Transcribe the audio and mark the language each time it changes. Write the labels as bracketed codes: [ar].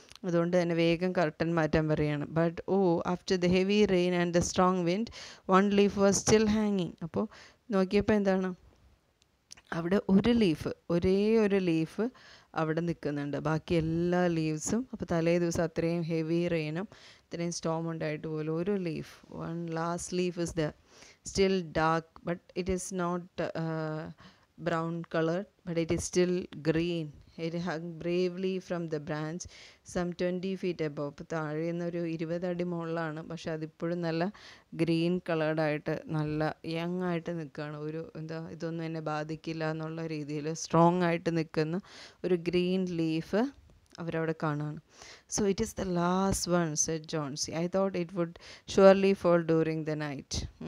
[ml] അതുകൊണ്ട് തന്നെ വേഗം കർട്ടൻ മാറ്റാൻ പറയുകയാണ്. [en] But oh, after the heavy rain and the strong wind one leaf was still ഹാങ്ങിങ്. [ml] അപ്പോൾ നോക്കിയപ്പോൾ എന്താണ്, അവിടെ ഒരു ലീഫ്, ഒരേ ഒരു ലീഫ് അവിടെ നിൽക്കുന്നുണ്ട്, ബാക്കി എല്ലാ ലീവ്സും. അപ്പോൾ തലേ ദിവസം അത്രയും ഹെവി റെയിനും ഇത്രയും സ്റ്റോം ഉണ്ടായിട്ട് പോലും ഒരു leaf, [en] One last leaf is the. still dark, but it is not brown colored, but it is still green. It hung bravely from the branch some 20 feet above. [ml] അപ്പോൾ താഴെന്ന് ഒരു 20 അടി മുകളിലാണ്. പക്ഷെ അതിപ്പോഴും നല്ല ഗ്രീൻ കളേർഡായിട്ട് നല്ല യങ് ആയിട്ട് നിൽക്കുകയാണ്. ഒരു എന്താ ഇതൊന്നും എന്നെ ബാധിക്കില്ല എന്നുള്ള രീതിയിൽ സ്ട്രോങ് ആയിട്ട് നിൽക്കുന്ന ഒരു ഗ്രീൻ ലീഫ് അവരവിടെ കാണുകയാണ്. [en] So it is the last one, said Johnsy. I thought it would surely fall during the night.